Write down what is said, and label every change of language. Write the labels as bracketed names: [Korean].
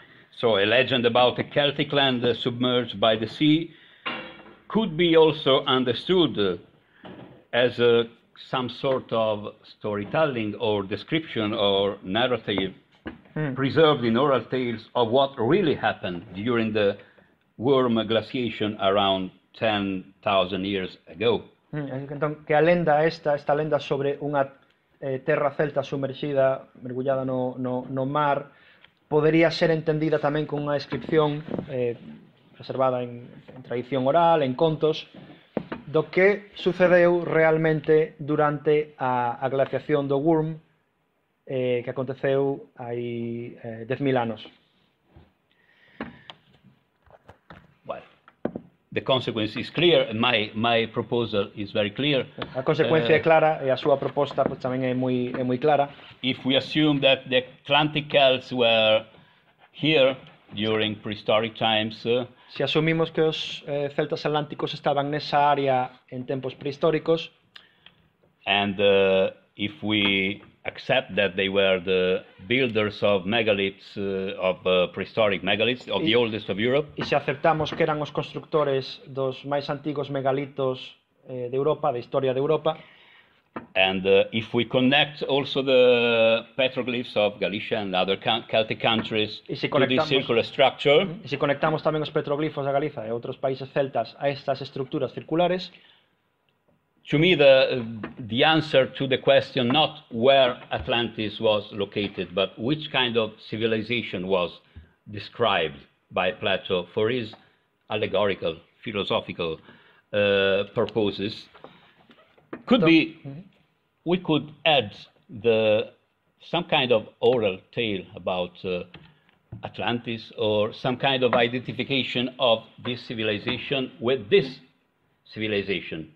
[English] So a legend about a Celtic land submerged by the sea could be also understood as a some sort of storytelling or description or narrative preserved in oral tales of what really happened during the warm glaciation around 10,000 years ago. [Galician] Entón, que a lenda esta lenda sobre unha terra celta sumergida, mergullada no mar, podería ser entendida tamén con unha descripción reservada en tradición oral, en contos, do que sucedeu realmente durante a glaciación do Worm, que aconteceu hai 10,000 anos. [English] Well, the consequence is clear, my proposal is very clear. [Galician] A consecuencia é clara e a súa proposta pues, tamén é moi clara. [English] If we assume that the Atlantic Celts were here during prehistoric times, [Galician] se asumimos que os celtas atlánticos estaban nesa área en tempos prehistóricos, [English] and if we accept that they were the builders of megaliths, of prehistoric megaliths, of the oldest of Europe. [Spanish] Y si aceptamos que eran los constructores dos más antiguos megalitos de Europa, de historia de Europa. [English] And if we connect also the petroglyphs of Galicia and other Celtic countries to this circular structure, [Spanish] y si conectamos también los petroglifos de Galicia y otros países celtas a estas estructuras circulares, [English] to me the answer to the question not where Atlantis was located, but which kind of civilization was described by Plato for his allegorical, philosophical purposes, could be, we could add the some kind of oral tale about Atlantis or some kind of identification of this civilization with this civilization.